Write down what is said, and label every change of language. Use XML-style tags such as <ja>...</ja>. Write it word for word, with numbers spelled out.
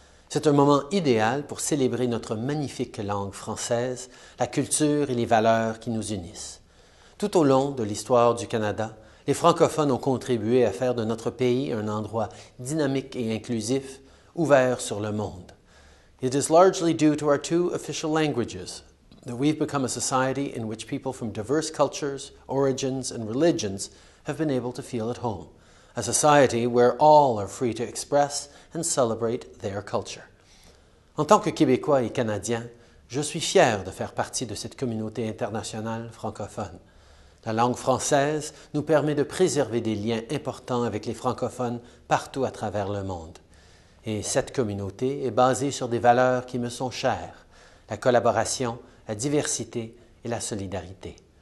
<fr>C'est un moment idéal pour célébrer notre magnifique langue française, la culture et les valeurs qui nous unissent. Tout au long de l'histoire du Canada, les francophones ont contribué à faire de notre pays un endroit dynamique et inclusif, ouvert sur le monde.</fr> <en>It is largely due to our two official languages that we've become a society in which people from diverse cultures, origins, and religions have been able to feel at home, a society where all are free to express and celebrate their culture.</en> <fr>En tant que Québécois et Canadien, je suis fier de faire partie de cette communauté internationale francophone. La langue française nous permet de préserver des liens importants avec les francophones partout à travers le monde. Et cette communauté est basée sur des valeurs qui me sont chères, la collaboration, la diversité et la solidarité.</fr>